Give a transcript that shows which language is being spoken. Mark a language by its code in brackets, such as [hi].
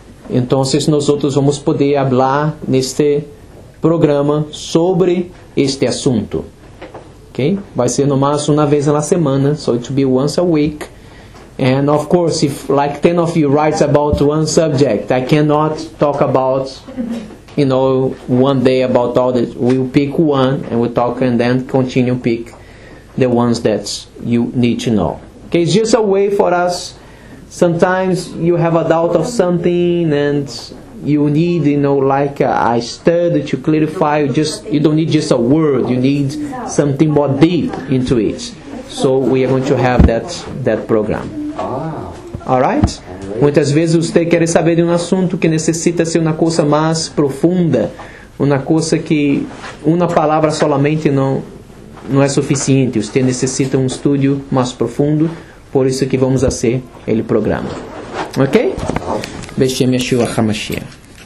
[pt] Então, nós vamos poder falar neste programa sobre este assunto. Okay? Vai ser no máximo uma vez na semana. [en] So it will be once a week. And of course, if like 10 of you write about one subject, I cannot talk about, you know, one day about all this. We'll pick one and we'll talk and then continue pick the ones that you need to know. Okay, it's just a way for us. Sometimes you have a doubt of something and you need, you know, like a study to clarify. You don't need just a word. You need something more deep into it. So we are going to have that program. All right? [pt] Muitas vezes você quer saber de assunto que necessita ser uma coisa mais profunda, uma coisa que uma palavra solamente não é suficiente. Você necessita estudo mais profundo, por isso que vamos fazer ele programa. Ok? [he] Beshem Yeshua HaMashiach.